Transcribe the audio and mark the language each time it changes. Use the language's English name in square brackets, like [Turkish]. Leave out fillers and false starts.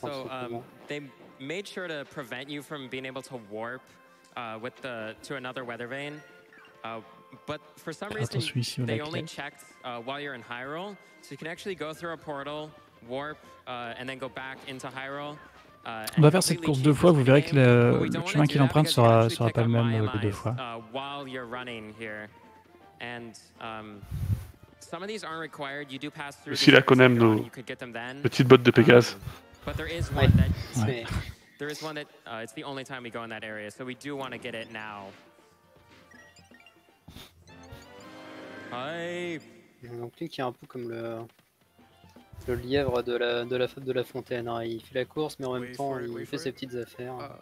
[English] So they made sure to prevent you from being able to warp to another weather vane. But for some reason, they only checked while you're in Hyrule, so you can actually go through a portal, warp, and then go back into Hyrule. [French] On va faire cette course deux fois, vous verrez que le chemin qu'il emprunte sera pas le même deux fois. [English] While you're running here, and some of these aren't required. You do pass through. [French] Aussi la Konem, nos petites bottes de Pégase. [English] But there is one that there is one that it's the only time we go in that area, so we do want to get it now. [French] Il y a un truc qui est un peu comme le lièvre de la fable de la fontaine. Il fait la course, mais en même temps, il fait ses petites affaires.